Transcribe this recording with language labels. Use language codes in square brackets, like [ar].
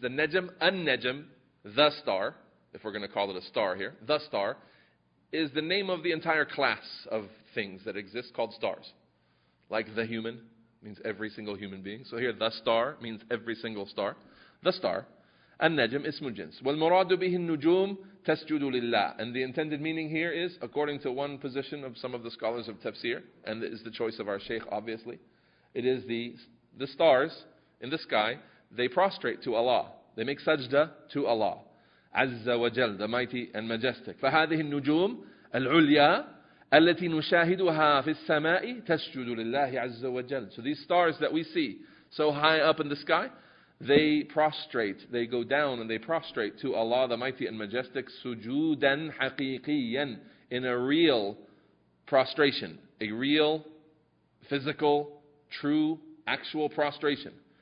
[en] The نجم, النجم, the star, if we're going to call it a star here, the star, is the name of the entire class of things that exist called stars. Like the human means every single human being. So here, the star means every single star. The star. [ar] النجم اسم جنس. والمراد به النجوم تسجد لله. [en] And the intended meaning here is, according to one position of some of the scholars of tafsir, and it is the choice of our Shaykh obviously, it is the stars in the sky, they prostrate to Allah. They make sajda to Allah. Azza wa Jal, the mighty and majestic. [ar] فهذه النجوم العليا التي نشاهدها في السماء تسجد لله عز وجل. [en] So these stars that we see so high up in the sky, they prostrate, they go down and they prostrate to Allah the Mighty and Majestic, sujudan haqiqiyan, in a real prostration, a real, physical, true, actual prostration.